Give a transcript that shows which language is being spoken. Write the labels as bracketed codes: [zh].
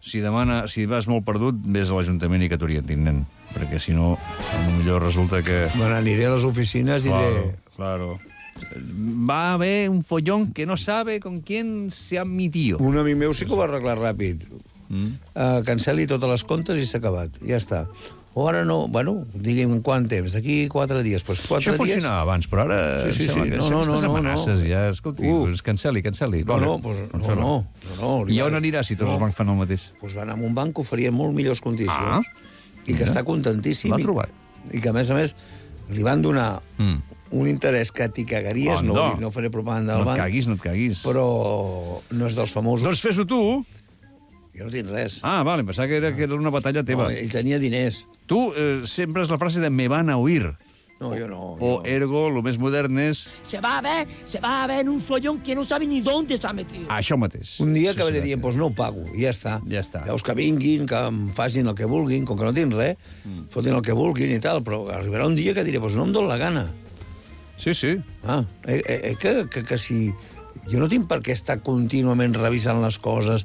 [ca] Si vas molt perdut, vés a l'Ajuntament i que t'orientin, nen. Perquè si no, millor resulta que... Bueno, aniré a les oficines i diré... Claro. Va haver [es] un follón que no sabe con quién se ha metido. [ca] Un amic meu sí que ho va arreglar ràpid. Cancel·li totes les comptes i s'ha acabat. Ja està. O ara no... Bueno, digui'm quant temps. D'aquí 4 dies. Pues 4 Això dies... funcionava abans, però ara... Sí. Aquestes amenaces. Ja... Escolti, doncs cancel·li. No. I on anirà si tots els bancs fan el mateix? Pues van a un banc que oferien molt millors condicions. Ah. i que està contentíssim. L'ha trobat. I que, a més, li van donar un interès que t'hi cagaries. Bon, no, dic, no faré propaganda del banc. No et caguis, no et caguis. Però no és dels famosos. Doncs fes-ho tu. Jo no tinc res. Ah, vale, em pensava que era una batalla teva. No, ell tenia diners. Tu sempre és la frase de [es] me van a oír. [ca] No, jo no. O ergo, lo més modern és... [es] Se va a ver en un follón que no sabe ni dónde s'ha metido. [ca] Això mateix. Un dia sí, acabaré dient, pues no ho pago, i ja està. Ja està. Llavors que vinguin, que em facin el que vulguin, com que no tinc res, fotin el que vulguin i tal, però arribarà un dia que diré, pues no em dono la gana. Sí, sí. Que si... Jo no tinc per què estar contínuament revisant les coses.